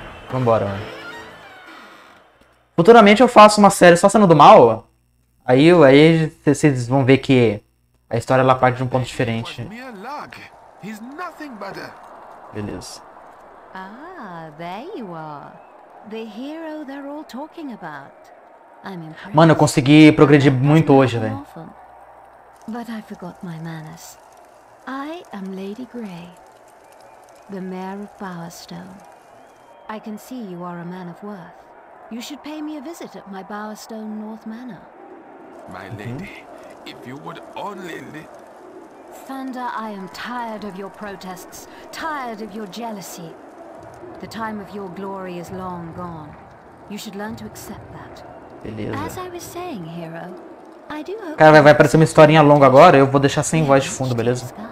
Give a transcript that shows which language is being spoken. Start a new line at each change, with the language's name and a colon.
Portuguese: Vambora, mano. Futuramente eu faço uma série só sendo do mal. Aí vocês vão ver que a história ela parte de um ponto diferente.
English: He's nothing but a...
Portuguese: Beleza.
English: Ah, there you are. The hero they're all talking about.
Portuguese: Mano, eu consegui progredir muito hoje, velho.
English: But I forgot my manners. I am Lady Grey, the mayor of Bowerstone. I can see you are a man of worth. You should pay me a visit at my Bowerstone North Manor. My lady, if you would only... Thunder, I am tired of your protests, tired of your jealousy. The time of your glory is long gone. You should learn to accept that.
Portuguese: Beleza.
English: As I was saying, hero, I do hope...
Portuguese: Cara, vai aparecer uma historinha longa agora, eu vou deixar sem voz de fundo, beleza?